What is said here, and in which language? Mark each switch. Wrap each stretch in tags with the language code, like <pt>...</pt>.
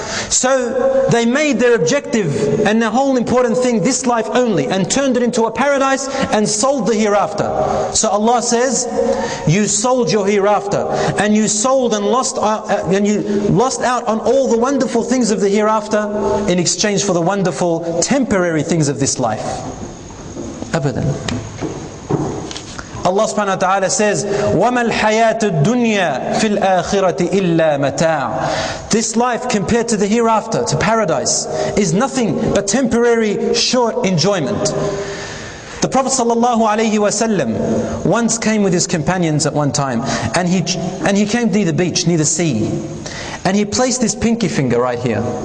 <en>So they made their objective and their whole important thing this life only and turned it into a paradise and sold the hereafter. So Allah says, you sold your hereafter and you sold and lost out on all the wonderful things of the hereafter in exchange for the wonderful temporary things of this life.</en> <ar>Abadan.</ar> <en>Allah subhanahu wa ta'ala says,</en> <ar>وَمَا الْحَيَاةُ الدُّنْيَا فِي الْآخِرَةِ إِلَّا مَتَاعٌ.</ar> <en>This life compared to the hereafter, to paradise, is nothing but temporary short enjoyment. The Prophet sallallahu alayhi wa sallam once came with his companions at one time, and he came near the beach, near the sea, and he placed this pinky finger right here.</en>